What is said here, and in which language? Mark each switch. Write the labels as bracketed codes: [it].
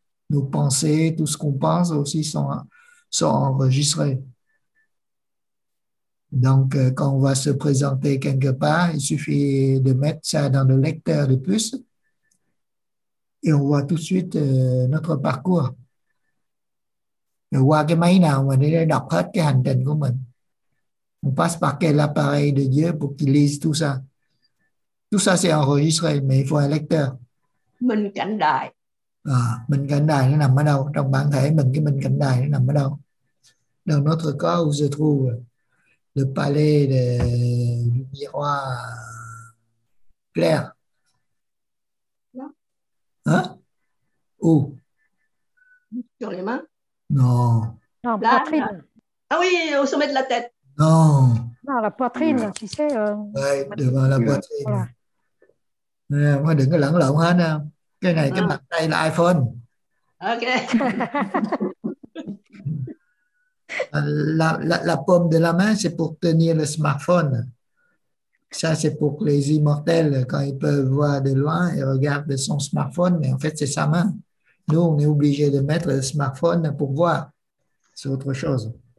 [fr] Nos pensées, tout ce qu'on pense aussi sont enregistrés. Donc, quand on va se présenter quelque part, il suffit de mettre ça dans le lecteur de puce. Thì on voit tout de suite notre parcours. [vi] Rồi qua cái máy nào mà nó đọc hết cái hành trình của mình. [fr] On passe par quel appareil de Dieu pour qu'il lise tout ça. Tout ça c'est enregistré, mais il faut un lecteur. [vi] Mình cảnh đại. À, mình cảnh đại nó nằm ở đâu? Trong bản thể mình, cái mình cảnh đại nó nằm ở đâu? [fr] Dans notre corps où se trouve le palais de lumière claire. Hein? Où? Sur les mains? Non. Non, la poitrine. Là. Ah oui, au sommet de la tête. Non. Non, la poitrine, tu sais. Ouais, devant la poitrine. Voilà. Ouais, moi, [vi] đừng có lẫn lộn hết nè. Cái này, cái mặt đây là iPhone. [fr] Ok. La paume de la main, c'est pour tenir le smartphone. Ça, c'est pour les immortels, quand ils peuvent voir de loin, ils regardent son smartphone, mais en fait, c'est sa main. Nous, on est obligé de mettre le smartphone pour voir. C'est autre chose.